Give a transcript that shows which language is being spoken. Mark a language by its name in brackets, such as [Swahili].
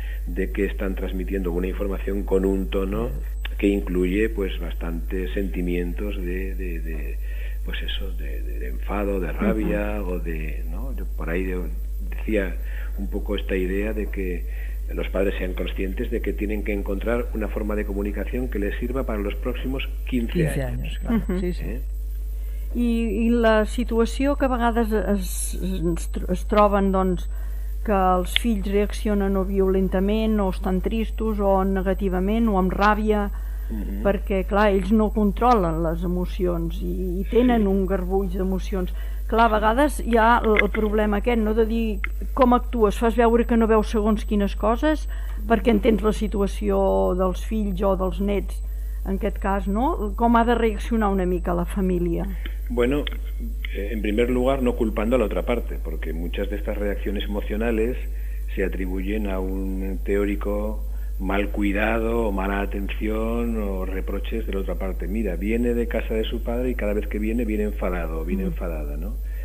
[Spanish] de que están transmitiendo una información con un tono que incluye pues bastantes sentimientos de pues eso, de enfado, de rabia, uh-huh. o de, ¿no? Yo por ahí decía un poco esta idea de que los padres sean conscientes de que tienen que encontrar una forma de comunicación que les sirva para los próximos 15 años. Claro. Uh-huh. Sí, sí. ¿Eh? [Catalan] I la situació que a vegades es troben, doncs, que els fills reaccionen o violentament o estan tristos o negativament o amb ràbia, uh-huh. perquè, clar, ells no controlen les emocions i tenen sí. un garbuix d'emocions. Clar, a vegades hi ha el problema aquest, no?, de dir com actues, fas veure que no veus segons quines coses perquè entens la situació dels fills o dels nets, en aquest cas, no? Com ha de reaccionar una mica la família? [Spanish] Bueno, en primer lugar, no culpando a la otra parte, porque muchas de estas reacciones emocionales se atribuyen a un teórico mal cuidado o mala atención o reproches de la otra parte. Mira, viene de casa de su padre y cada vez que viene, viene enfadado, viene uh-huh. enfadada, ¿no?